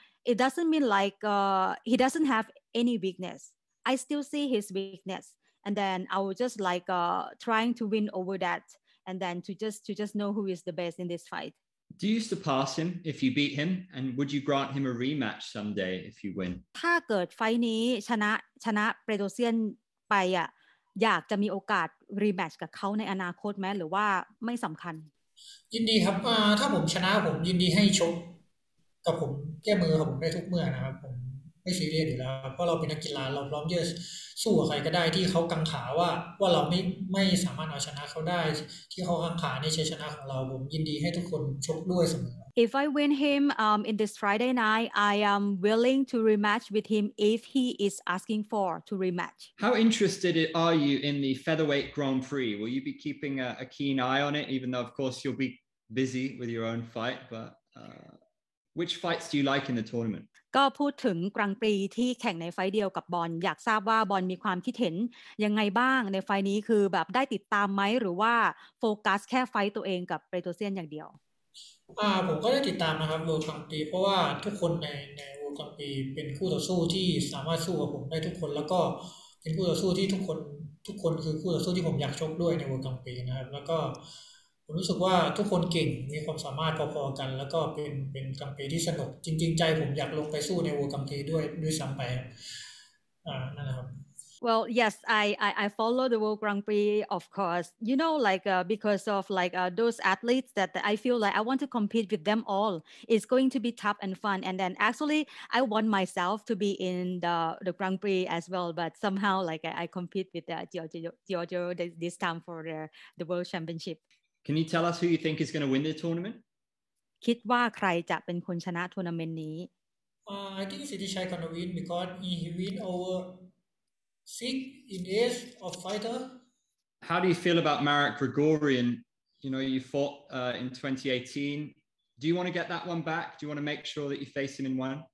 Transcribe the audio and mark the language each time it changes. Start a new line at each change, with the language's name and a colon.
English: it doesn't mean like he doesn't have any weakness I still see his weakness and then I will just like trying to win over that and then to just know who is the best in this fight Do you surpass him if you beat him, and would you grant him a rematch someday if you win?
Thai: ถ้าเกิดไฟนี้ชนะเปโตรเซียนไปอ่ะอยากจะมีโอกาสรีแมตช์กับเขาในอนาคตไหมหรือว่าไม่สำคัญ ยินดีครับถ้าผมชนะผมยินดีให้ชกกับผมแก้มือผมได้ทุกเมื่อนะครับผมไม่ซีเรียสอยู่แล้วเพราะเราเป็นนักกีฬาเราพร้อมจะสู้กับใครก็ได้ที่เขากังขาว่าเราไม่สามารถเอาชนะเขาได้ที่เขากังขาในชัยชนะของเราผมยินดีให้ทุกคนชกด้วยเสมอ
English: If I win him in this Friday night I am willing to rematch with him if he is asking for to rematch How interested are you in the featherweight Grand Prix Will you be keeping a keen eye on it even though of course you'll be busy with your own fight but which fights do you like in the tournament
Thai: ก็พูดถึงกรังปรีที่แข่งในไฟเดียวกับบอลอยากทราบว่าบอลมีความคิดเห็นยังไงบ้างในไฟนี้คือแบบได้ติดตามไหมหรือว่าโฟกัสแค่ไฟตัวเองกับเปโตรเซียนอย่างเดียว ผมก็ได้ติดตามนะครับกรังปรีเพราะว่าทุกคนในกรังปรีเป็นคู่ต่อสู้ที่สามารถสู้กับผมได้ทุกคนแล้วก็เป็นคู่ต่อสู้ที่ทุกคนคือคู่ต่อสู้ที่ผมอยากชกด้วยในกรังปรีนะครับแล้วก็รู้สึกว่าทุกคนเก่งมีความสามารถพอๆกันแล้วก็เป็นกัมเปที่สนุกจริงๆใจผมอยากลงไปสู้ในวัวกัมเปด้วยซ้ำไปนั่นแหละครับ
English: Well yes I follow the World Grand Prix of course you know like because of like those athletes that I feel like I want to compete with them all it's going to be tough and fun and then actually I want myself to be in the Grand Prix as well but somehow like I compete with Giorgio this time for the World Championship Can you tell us who you think is going to win the tournament?
Thai: คิดว่าใครจะเป็นคนชนะทัวร์นาเมนต์นี้
English: I think Sidhichai gonna win because he win over six in years of fighter. How do you feel about Marek Grigorian? You know, you fought in 2018. Do you want to get that one back? Do you want to make sure that you face him in one?